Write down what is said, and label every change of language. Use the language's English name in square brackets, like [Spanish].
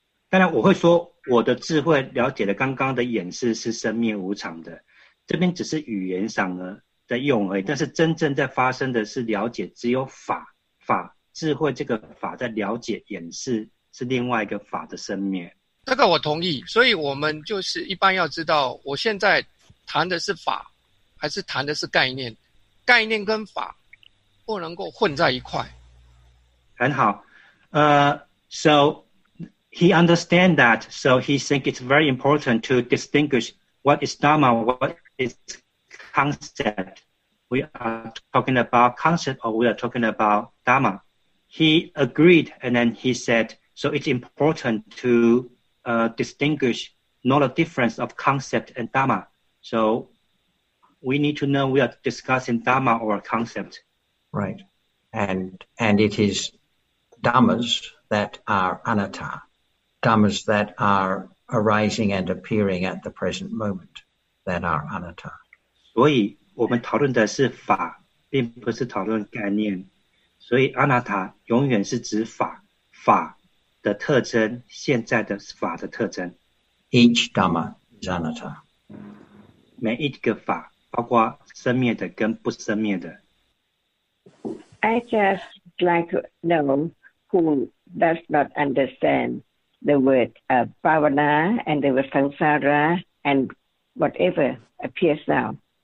[Chinese] 当然我会说我的智慧了解的刚刚的眼视是生灭无常的，这边只是语言上呢在用而已，但是真正在发生的是了解，只有法智慧这个法在了解眼视是另外一个法的生灭。这个我同意，所以我们就是一般要知道我现在谈的是法还是谈的是概念，概念跟法不能够混在一块。很好， [English] So he understands that, so he thinks it's very important to distinguish what is Dhamma, what is concept. We are talking about concept or we are talking about Dhamma. He agreed and then he said, so it's important to distinguish not a difference of concept and Dhamma. So we need to know we are discussing Dhamma or a concept. Right. And it is Dhammas that are anatta, Dhammas that are arising and appearing at the present moment that are anatta. [Chinese] 所以我们讨论的是法，并不是讨论概念。所以 anatta 永远是指法，法的特征，现在的法的特征。 [English] Each Dhamma is anatta. [Chinese] 每一个法，包括生灭的跟不生灭的。 [English] I just like to know who does not understand the word bhavana and the word samsara and whatever appears now.